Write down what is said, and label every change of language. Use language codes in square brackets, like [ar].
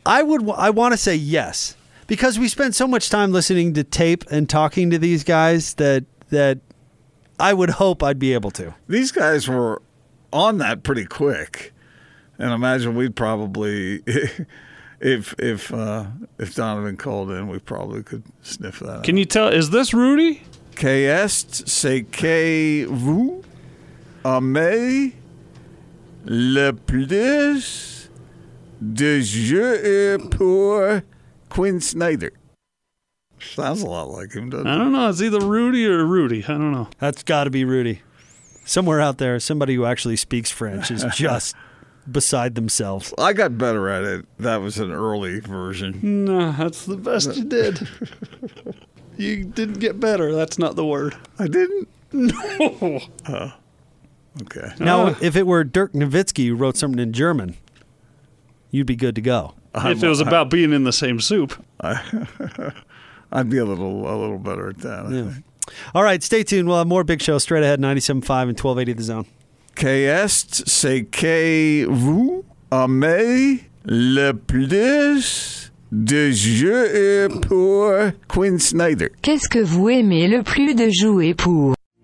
[en] I want to say yes, because we spent so much time listening to tape and talking to these guys that I would hope I'd be able to. These guys were on that pretty quick. And imagine we'd probably, if Donovan called in, we probably could sniff that out. Can you tell, is this Rudy? [fr] Qu'est-ce que vous aimez le plus de jouer pour Quinn Snyder? [en] Sounds a lot like him, doesn't it? I don't know. It's either Rudy or Rudy. I don't know. That's got to be Rudy. Somewhere out there, somebody who actually speaks French is just beside themselves. I got better at it. That was an early version. No, that's the best you did. You didn't get better. That's not the word. I didn't? No. Oh. Okay. Now, if it were Dirk Nowitzki who wrote something in German, you'd be good to go. If it was about being in the same soup. I'd be a little better at that, I think. All right, stay tuned. We'll have more Big Show straight ahead, 97.5 and 1280 The Zone. [fr] Qu'est-ce c'est que vous aimez le plus de jouer pour Quinn Snyder? Qu'est-ce que vous aimez le plus de jouer pour?